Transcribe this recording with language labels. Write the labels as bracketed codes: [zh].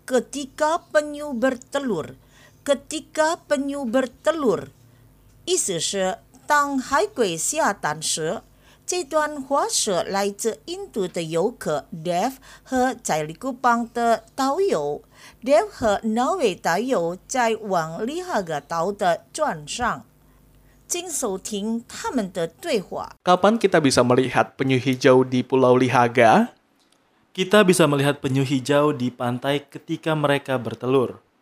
[id] Ketika penyu bertelur, ketika penyu bertelur, [zh] 意思是当海龟下蛋时。这段话是来自印度的游客 Dev 和在利库邦的导游。 Dev 和那位导游在往利哈格岛的船上。请收听他们的对话。 [id] Kapan kita bisa melihat penyu hijau di Pulau Lihaga? Kita bisa melihat penyu hijau di pantai ketika mereka bertelur.